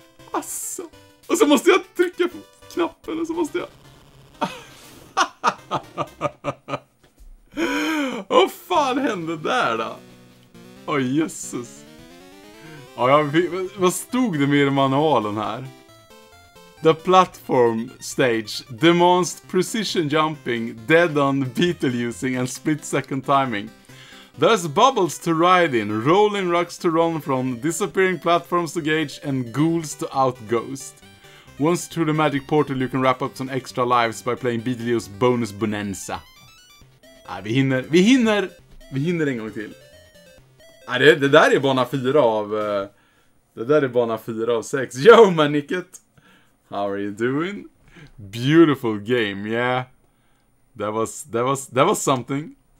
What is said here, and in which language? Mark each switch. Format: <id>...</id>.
<sv>Asså. Och så måste jag trycka på knappen och så måste jag... Vad fan hände där då? Åh, Jesus. Ja, vad stod det med i manualen här?</sv> <en>The platform stage demands precision jumping, dead on, beetle using and split second timing. There's bubbles to ride in, rolling rocks to run from, disappearing platforms to gauge, and ghouls to outghost. Once through the magic portal, you can wrap up some extra lives by playing Beetlejuice Bonus Bonanza.</en> <sv>Nej, vi hinner, vi hinner, vi hinner en gång till. Nej, det där är bana 4 av, det där är bana 4 av 6.</sv> <en>Yo, manicket! How are you doing? Beautiful game, yeah. That was something.</en>